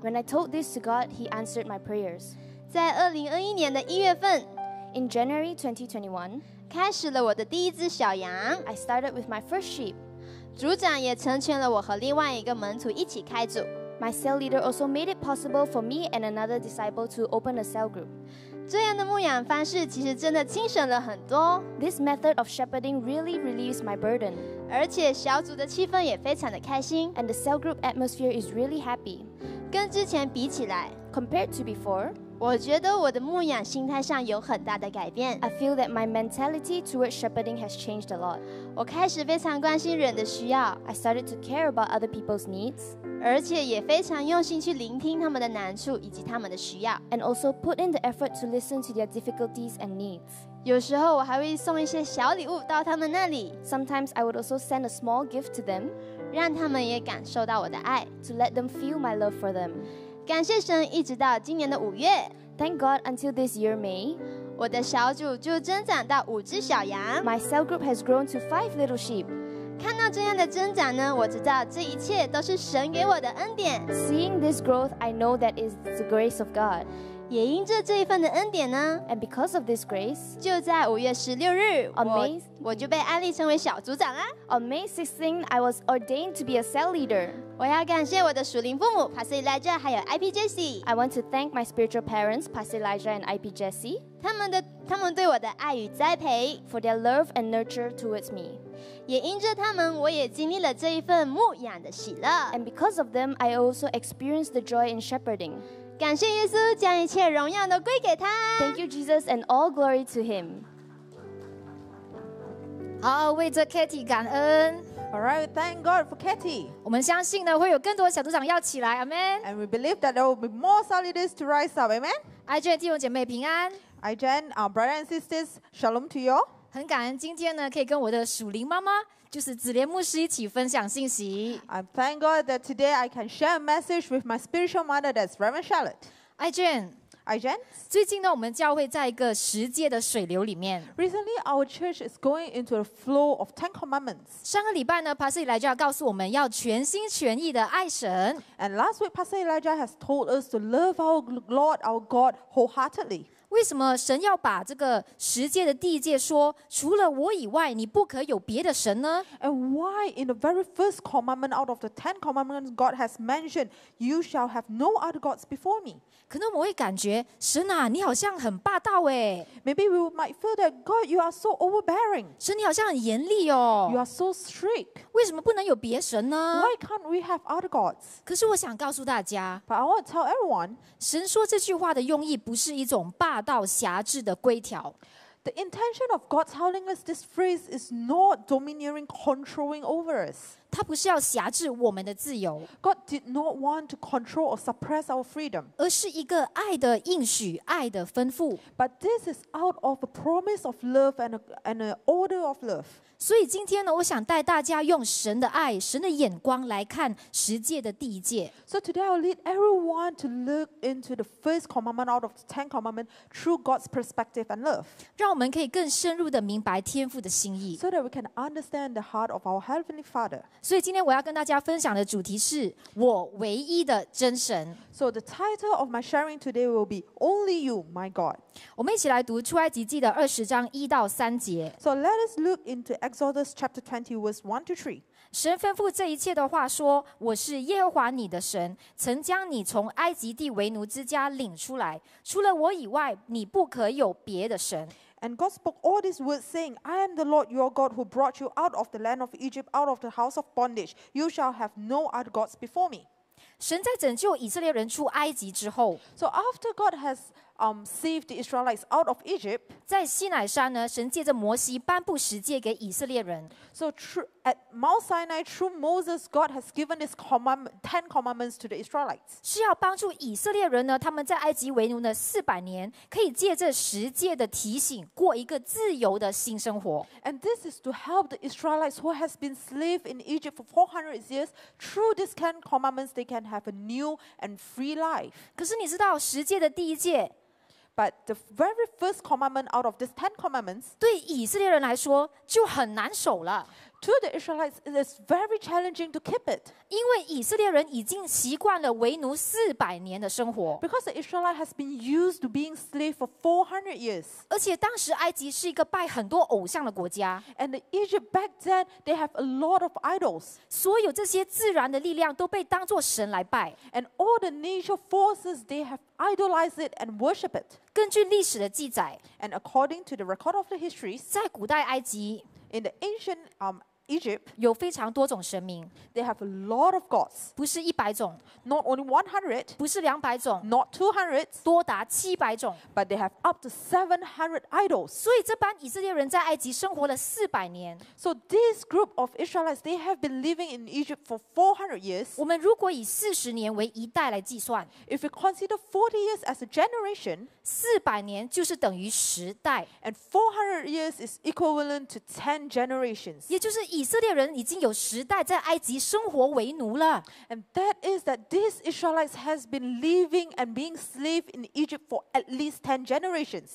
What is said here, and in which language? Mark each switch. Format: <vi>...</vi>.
<en>When I told this to God He answered my prayers</en> <zh>在2021年的1月份</zh> <en>In January 2021</en> <zh>开始了我的第一只小羊</zh> <en>I started with my first sheep</en> <zh>组长也成全了我和另外一个门徒一起开组</zh> <en>My cell leader also made it possible for me and another disciple to open a cell group</en> <zh>这样的牧养方式其实真的轻省了很多</zh> <en>This method of shepherding really relieves my burden</en> <zh>而且小组的气氛也非常的开心</zh> <en>And the cell group atmosphere is really happy</en> <zh>跟之前比起来</zh> <en>Compared to before</en> <zh>我觉得我的牧养心态上有很大的改变</zh> <en>I feel that my mentality towards shepherding has changed a lot</en> <zh>我开始非常关心人的需要</zh> <en>I started to care about other people's needs</en> <zh>而且也非常用心去聆听他们的难处以及他们的需要</zh> <en>And also put in the effort to listen to their difficulties and needs</en> <zh>有时候我还会送一些小礼物到他们那里</zh> <en>Sometimes I would also send a small gift to them</en> <zh>让他们也感受到我的爱</zh> <en>To let them feel my love for them</en> <zh>感谢神，一直到今年的五月。</zh> <en>Thank God until this year May.</en> <zh>我的小组就增长到五只小羊。</zh> <en>My cell group has grown to 5 little sheep.</en> <zh>看到这样的增长呢，我知道这一切都是神给我的恩典。</zh> <en>Seeing this growth, I know that is the grace of God.</en> <zh>也因着这一份的恩典呢</zh> <en>，and because of this grace,</en> <zh>就在五月十六日 我就被安立成为小组长啦。</zh> <en>On May 16th, I was ordained to be a cell leader.</en> <zh>我要感谢我的属灵父母 Pastor Elijah 还有 IP Jesse.</zh> <en>I want to thank my spiritual parents, Pastor Elijah and IP Jesse.</en> <zh>他们对我的爱与栽培</zh> <en>for their love and nurture towards me.</en> <zh>也因着他们，我也经历了这一份牧养的喜乐。</zh> <en>And because of them, I also experienced the joy in shepherding.</en> <zh>感谢耶稣，将一切荣耀都归给他。</zh> <en>Thank you, Jesus, and all glory to Him.</en> <zh>好，为着 Katy 感恩。</zh> <en>All right, thank God for Katy.</en> <zh>我们相信呢，会有更多小组长要起来。</zh> <en>Amen. And we believe that there will be more cell leaders to rise up. Amen.</en> <zh>IJ 弟兄姐妹平安。</zh> <en>IJ, our brothers and sisters, shalom to you all.</en> <zh>很感恩今天呢，可以跟我的属灵妈妈，就是子莲牧师一起分享信息。</zh> <en>I thank God that today I can share a message with my spiritual mother, that's Reverend Charlotte. Ijen.</en> <zh>最近呢，我们教会在一个十诫的水流里面。</zh> <en>Recently, our church is going into a flow of Ten Commandments.</en> <zh>上个礼拜呢 ，Pastor Elijah 告诉我们要全心全意的爱神。</zh> <en>And last week, Pastor Elijah has told us to love our Lord, our God, wholeheartedly.</en> <zh>为什么神要把这个十诫的第一诫说，除了我以外，你不可有别的神呢</zh> <en>？And why in the very first commandment out of the ten commandments God has mentioned, you shall have no other gods before me?</en> <zh>可能我们会感觉，神啊，你好像很霸道哎。</zh> <en>Maybe we might feel that God, you are so overbearing.</en> <zh>神，你好像很严厉哦。</zh> <en>You are so strict.</en> <zh>为什么不能有别神呢</zh> <en>？Why can't we have other gods?</en> <zh>可是我想告诉大家</zh> <en>，But I want to tell everyone,</en> <zh>神说这句话的用意不是一种霸。霸道侠制的规条。</zh> <en>The intention of God telling us this phrase is not domineering, controlling over us.</en> <zh>他不是要辖制我们的自由。</zh> <en>God did not want to control or suppress our freedom.</en> <zh>而是一个爱的应许，爱的吩咐。</zh> <en>But this is out of a promise of love and an order of love.</en> <zh>所以今天呢，我想带大家用神的爱、神的眼光来看十诫的第一诫。</zh> <en>So today I'll lead everyone to look into the first commandment out of the ten commandments through God's perspective and love.</en> <zh>让我们可以更深入地明白天父的心意。</zh> <en>So that we can understand the heart of our heavenly Father.</en> <zh>所以今天我要跟大家分享的主题是我唯一的真神。</zh> <en>So the title of my sharing today will be Only You, My God.</en> <zh>我们一起来读出埃及记的二十章一到三节。</zh> <en>So let us look into Exodus chapter 20, verse 1 to 3.</en> <zh>神吩咐这一切的话说我是耶和华你的神曾将你从埃及地为奴之家领出来除了我以外你不可有别的神</zh> <en>And God spoke all these words saying I am the Lord your God who brought you out of the land of Egypt out of the house of bondage You shall have no other gods before me</en> <zh>神在拯救以色列人出埃及之后</zh> <en>So after God hasSaved the Israelites out of Egypt.</en> <zh>在西乃山呢，神借着摩西颁布十诫给以色列人。</zh> <en>So at Mount Sinai, through Moses, God has given His ten commandments to the Israelites.</en> <zh>是要帮助以色列人呢，他们在埃及为奴呢四百年，可以借这十诫的提醒，过一个自由的新生活。</zh> <en>And this is to help the Israelites who has been slave in Egypt for 400 years. Through these ten commandments, they can have a new and free life.</en> <zh>可是你知道十诫的第一诫。</zh> <en>But the very first commandment out of these ten commandments,</en> <zh>对以色列人来说就很难守了</zh> <en>To the Israelites, it is very challenging to keep it.</en> <zh>因为以色列人已经习惯了为奴四百年的生活</zh> <en>Because the Israelites has been used to being slave for 400 years.</en> <zh>而且当时埃及是一个拜很多偶像的国家</zh> <en>And Egypt back then, they have a lot of idols.</en> <zh>所有这些自然的力量都被当作神来拜</zh> <en>And all the natural forces, they have idolize it and worship it.</en> <zh>根据历史的记载</zh> <en>And according to the record of the history</en> <zh>在古代埃及</zh> <en>In the ancient Egypt</en> <zh>有非常多种神明</zh> <en>They have a lot of gods</en> <zh>不是一百种</zh> <en>Not only 100</en> <zh>不是两百种</zh> <en>Not 200</en> <zh>多达七百种</zh> <en>But they have up to 700 idols</en> <zh>所以这班以色列人在埃及生活了四百年</zh> <en>So this group of Israelites They have been living in Egypt for 400 years</en> <zh>我们如果以四十年为一代来计算</zh> <en>If we consider 40 years as a generation</en> <zh>四百年就是等于十代</zh> <en>And 400 years is equivalent to 10 generations</en> <zh>也就是以色列人已经有十代在埃及生活为奴了。</zh> <en>And that is that these Israelites has been living and being slaves in Egypt for at least 10 generations.</en>